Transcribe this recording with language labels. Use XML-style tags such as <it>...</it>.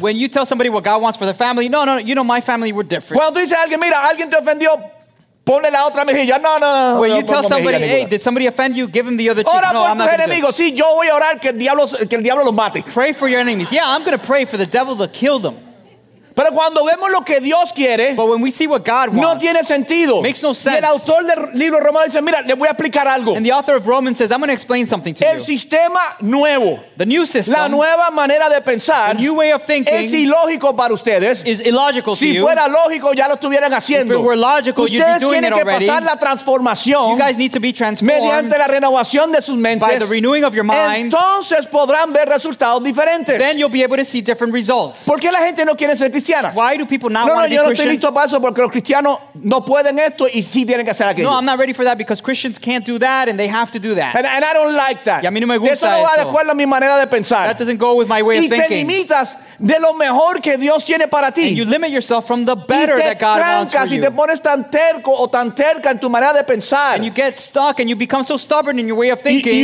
<en>When you tell somebody what God wants for their family, no, you know my family, we're different.</en> <es>Cuando tú dices a alguien, mira, alguien te ofendió, ponle la otra mejilla. No.</es> <en>When</en> <es>no,</es> <en>you tell somebody, hey, did somebody offend you? Give him the other cheek.</en> <es>Ora por tus enemigos. Sí, yo voy a orar que el diablo los mate.</es> <en>Pray for your enemies. Yeah, I'm going to pray for the devil to kill them.</en> <es>Pero cuando vemos lo que Dios quiere,</es> <en>but when we see what God wants,</en> <es>no tiene sentido.</es> <en>Makes no sense.</en> <es>Y el autor del libro Romano dice, mira, le voy a explicar algo.</es> <en>And the author of Romans says, I'm going to explain something to</en> <es>el</es> <en>you.</en> <es>El sistema nuevo.</es> <en>The new system.</en> <es>La nueva manera de pensar.</es> <en>The new way of thinking.</en> <es>Es ilógico para ustedes.</es> <en>Is illogical</en> <es>si</es> <en>to you.</en> <es>Si fuera lógico, ya lo estuvieran haciendo.</es> <en>If it were logical,</en> <es>ustedes</es> <en>you'd be doing</en> <es>tienen</es> <en>it already.</en> <es>Que pasar la transformación.</es> <en>You guys need to be transformed.</en> <es>Mediante la renovación de sus mentes.</es> <en>By the renewing of your mind.</en> <es>Entonces podrán ver resultados diferentes.</es> <en>Then you'll be able to see different results.</en> <es>¿Por qué la gente no quiere ser?</es> <en>Why do people not want to be Christians?</en> <es>No, yo no estoy listo para eso porque los cristianos no pueden esto y sí tienen que hacer aquello.</es> <en>No, I'm not ready for that because Christians can't do that and they have to do that. And I don't like that.</en> <es>Y a mí no me gusta eso. Eso no va de acuerdo a mi manera de pensar.</es> <en>That doesn't go with my way of thinking.</en> <es>Y te limitas de lo mejor que Dios tiene para ti.</es> <en>And you limit yourself from the better that God wants for you.</en> <es>Y te trancas y te pones tan terco o tan terca en tu manera de pensar.</es> <en>And you get stuck and you become so stubborn in your way of thinking.</en>